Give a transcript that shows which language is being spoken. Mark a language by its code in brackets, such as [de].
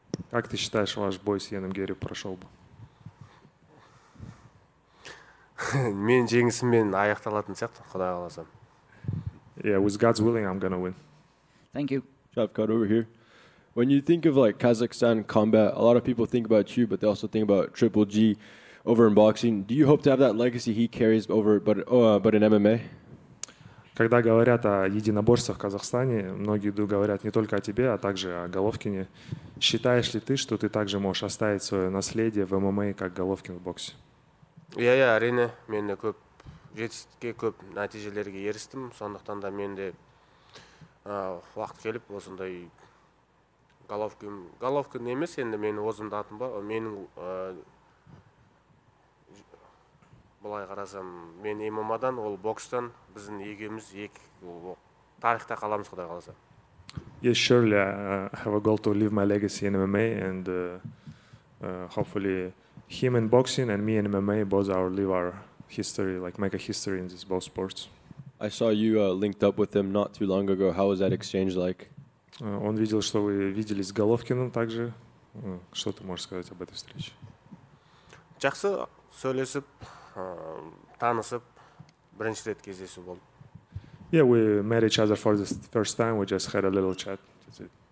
[ru] Как ты считаешь, ваш бой с Яном Гэри прошел бы? [kk] Мен жеңісіммен аяқталатын сияқты, Құдай қаласа. [en] Yeah, with God's willing, I'm going to win. Thank you. Shavkat over here. When you think of like Kazakhstan combat, a lot of people think about you, but they also think about Triple G over in boxing. Do you hope to have that legacy he carries over, but in MMA? [ru] Когда говорят о единоборствах в Казахстане, многие говорят не только о тебе, а также о Головкине. Считаешь ли ты, что ты также можешь оставить свое наследие в ММА, как Головкин в боксе? [kk] Я, әрине, мен де көп жетістікке, көп нәтижелерге ерістім. Сондықтан да мен де уақыт келіп, осындай Головкин, Головкин емес, енді менің өзімді атым бар, Былай қарасам, мен ММА-дан, ол бокстан, біздің егеміз екі тарихта қаламыз, Құдай қаласа. [en] Yes, surely I have a goal to leave my legacy in MMA and hopefully him in boxing and me in MMA both are leave our history, like make a history in these both sports. I saw you linked up with him not too long ago. How was that exchange like? [ru] Он видел, что вы виделись с Головкиным также. Что ты можешь сказать об этой встрече? [kk] Жақсы сөйлесіп. Танысып, бірінші рет кездесу болды. [en] Yeah, we met each other for the first time. We just had a little chat. That's it.